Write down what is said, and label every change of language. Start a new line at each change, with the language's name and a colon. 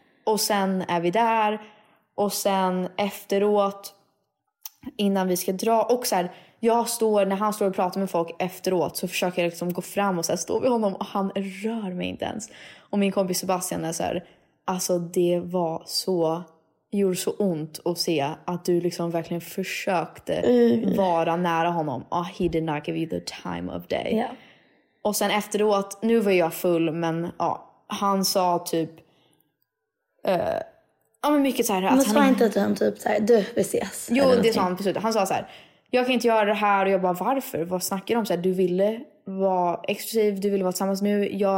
Swedish: Och sen är vi där och sen efteråt, innan vi ska dra, och så här, jag står, när han står och pratar med folk efteråt så försöker jag liksom gå fram och så här, står vid honom och han rör mig inte ens. Och min kompis Sebastian är så här, alltså det var så, gjorde så ont att se att du liksom verkligen försökte vara nära honom.
English: Oh, he did not give you the time of day. Yeah.
Swedish: Och sen efteråt, nu var jag full, men ja, han sa typ, ja men mycket så här. Men sa inte att han typ så här, du, vi ses. Jo, det sa han på slutet. Han sa så här, jag kan inte göra det här. Och jag bara, varför? Vad snackar du om? Så här, du ville vara exklusiv, du ville vara tillsammans nu.